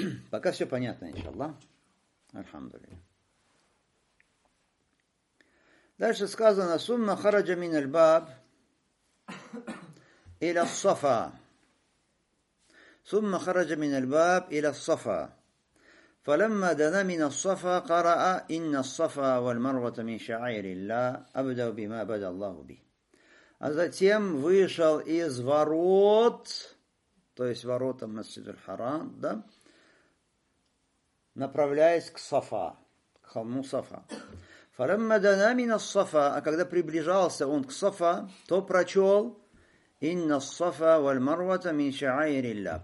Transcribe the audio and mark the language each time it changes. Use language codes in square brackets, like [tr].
[ru] Пока все понятно, иншаллах. Альхамдулилля. Дальше сказано, сумма хараджа мин аль-баб иля ас-сафа. Сумма хараджа мин аль-баб иля ас-сафа. [ar] فلما دنا من الصفا قرأ إن الصفا والمروة من شعائر الله أبدأ بما بدأ الله به. [ru] А затем вышел из ворот, то есть ворота Масджид-уль-Харам, да, направляясь к Сафа, к холму Сафа. [ar] فلما دنا من الصفا, [ru] а когда приближался он к Сафа, то прочел «Инна Сафа валь Марвата мин шаайр Илля».